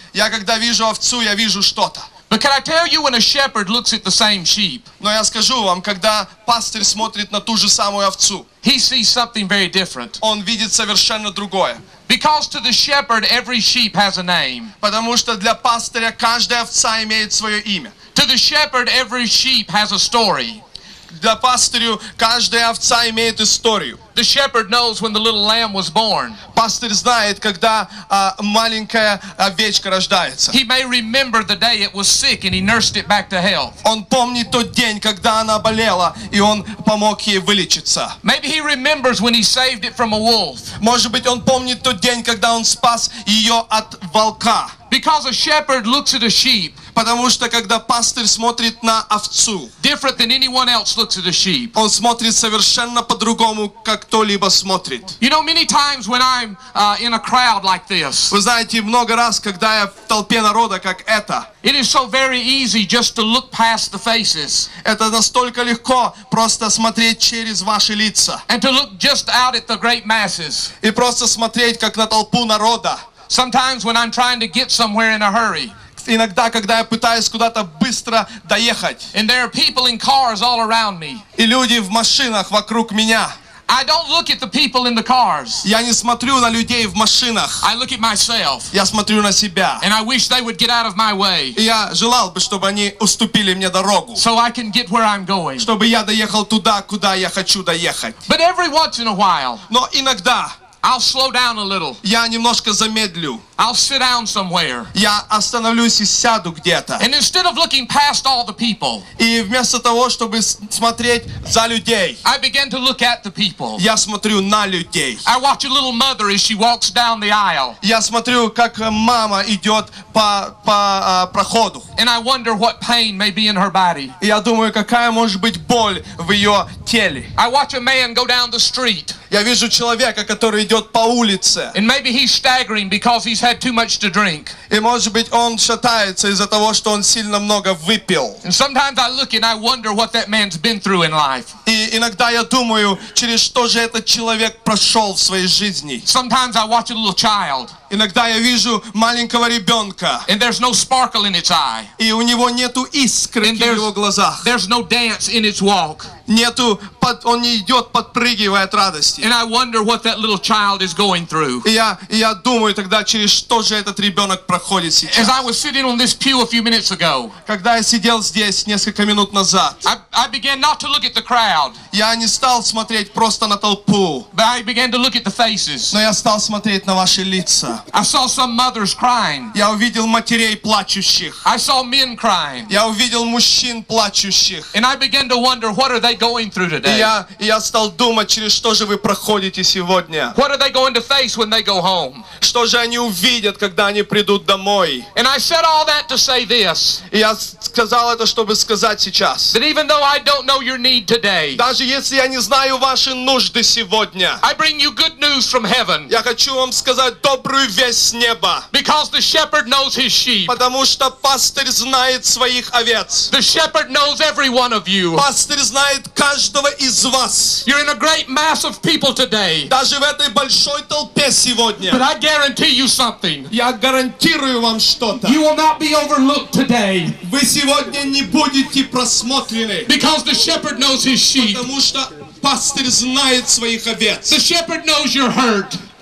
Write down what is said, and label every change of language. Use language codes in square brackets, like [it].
[ru] Я когда вижу овцу, я вижу что-то. [en] But can I tell you when a shepherd looks at the same sheep? [ru] Но я скажу вам, когда пастырь смотрит на ту же самую овцу. [en] He sees something very different. [ru] Он видит совершенно другое. [en] Because to the shepherd every sheep has a name. [ru] Потому что для пастыря каждая овца имеет своё имя. [en] To the shepherd every sheep has a story. [ru] Для пастыря каждая овца имеет историю. [en] The shepherd knows when the little lamb was born. [ru] Пастырь знает, когда маленькая овечка рождается. [en] He may remember the day it was sick and he nursed it back to health. [ru] Он помнит тот день, когда она болела, и он помог ей вылечиться. [en] Maybe he remembers when he saved it from a wolf. [ru] Может быть, он помнит тот день, когда он спас её от волка. [en] Because a shepherd looks at a sheep. [ru] Потому что когда пастырь смотрит на овцу. [en] Different than anyone else looks at a sheep. [ru] Он смотрит совершенно по-другому. Кто-либо смотрит. [en] You know, many times when I'm in a crowd like this. [ru] Вы знаете, много раз, когда я в толпе народа, как это. [en] It is so very easy just to look past the faces. [ru] Это настолько легко просто смотреть через ваши лица. [en] And to look just out at the great masses. [ru] И просто смотреть как на толпу народа. [en] Sometimes when I'm trying to get somewhere in a hurry. [ru] Иногда, когда я пытаюсь куда-то быстро доехать. [en] And there are people in cars all around me. [ru] И люди в машинах вокруг меня. [en] I don't look at the people in the cars. [ru] Я не смотрю на людей в машинах. [en] I look at myself. [ru] Я смотрю на себя. [en] And I wish they would get out of my way. [ru] Я желал бы, чтобы они уступили мне дорогу. [en] So I can get where I'm going. [ru] Чтобы я доехал туда, куда я хочу доехать. [en] But every once in a while. [ru] Но иногда. [en] I'll slow down a little. [ru] Я немножко замедлю. [en] I'll sit down somewhere. [ru] Я остановлюсь и сяду где-то. [en] And instead of looking past all the people. [ru] И вместо того, чтобы смотреть за людей. [en] I begin to look at the people. [ru] Я смотрю на людей. [en] I watch a little mother as she walks down the aisle. [ru] Я смотрю, как мама идёт по проходу. [en] And I wonder what pain may be in her body. [ru] Я думаю, какая может быть боль в её теле. [en] I watch a man go down the street. [ru] Я вижу человека, который идёт по улице. [en] And maybe he's staggering because he's had too much to drink. [ru] И может быть, он шатается из-за того, что он сильно много выпил. [en] And sometimes I look and I wonder what that man's been through in life. [ru] И иногда я думаю, через что же этот человек прошёл в своей жизни. [en] Sometimes I watch a little child. [ru] Иногда я вижу маленького ребенка. [en] And there's no sparkle in its eye. [ru] И у него нету искорки в его глазах. [en] There's no dance in its walk. [ru] Нету, он не идет, подпрыгивая от радости. [en] And I wonder what that little child is going through. [ru] И я думаю тогда, через что же этот ребенок проходит сейчас. [en] As I was sitting on this pew a few minutes ago. [ru] Когда я сидел здесь несколько минут назад. [en] I began not to look at the crowd. [ru] Я не стал смотреть просто на толпу. [en] But I began to look at the faces. [ru] Но я стал смотреть на ваши лица. [en] I saw some mothers crying. [ru] Я увидел матерей плачущих. [en] I saw men crying. [ru] Я увидел мужчин плачущих. [en] And I began to wonder what are they going through today. [ru] Я стал думать, через что же вы проходите сегодня. [en] What are they going to face when they go home? [ru] Что же они увидят, когда они придут домой? [en] And I said all that to say this. [ru] Я сказал это, чтобы сказать сейчас. [en] That even though I don't know your need today. [ru] Даже если я не знаю ваши нужды сегодня. [en] I bring you good news from heaven. [ru] Я хочу вам сказать добрую. [en] Because the shepherd knows his sheep. [ru] Потому что пастырь знает своих овец. [en] The shepherd knows every one of you. [ru] Пастырь знает каждого из вас. [en] You're in a great mass of people today. [ru] Даже в этой большой толпе сегодня. [en] But I guarantee you something. [ru] Я гарантирую вам что-то. [en] You will not be overlooked today. [ru] Вы сегодня не будете просмотрены. [en] Because the shepherd knows his sheep. [ru] Потому что пастырь знает своих овец. [en] The shepherd knows your hurt.